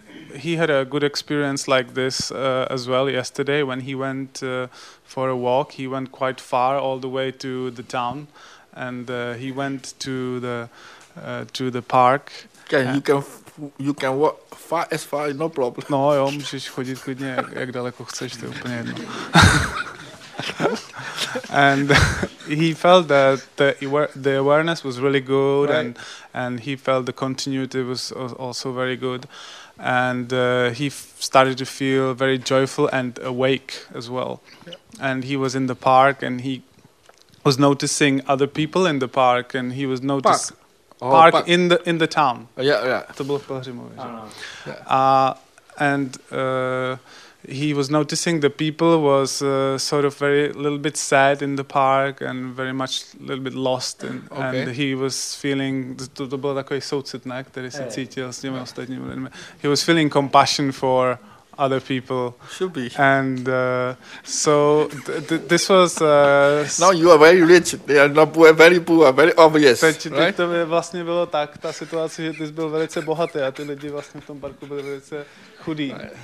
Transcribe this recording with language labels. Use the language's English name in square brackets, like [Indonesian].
[English] He had a good experience like this as well yesterday when he went for a walk. He went quite far all the way to the town and he went to the park. You can walk far as far, no problem. [Czech] No jo, můžeš chodit klidně, jak daleko chceš, to je úplně jedno. [English] And he felt that the awareness was really good, right, and he felt the continuity was also very good. And he started to feel very joyful and awake as well. Yeah. And he was in the park, and he was noticing other people in the park, and he was noticing... Park in the town. Yeah, yeah. [Czech] To bylo v Pelhřimově. Ano. [English] Yeah. And he was noticing the people was sort of very little bit sad in the park and very much little bit lost and, okay. and he was feeling [Czech] to byl takový soucit, ne, který se cítil s těmi ostatními lidmi. [English] He was feeling compassion for other people. Should be. And so this was now you are very rich. They are not poor, very poor, very obvious. Right? [Czech] To vlastně bylo tak ta situace, že ty jsi byl velice bohatý a ty lidi vlastně v tom parku byli velice chudí.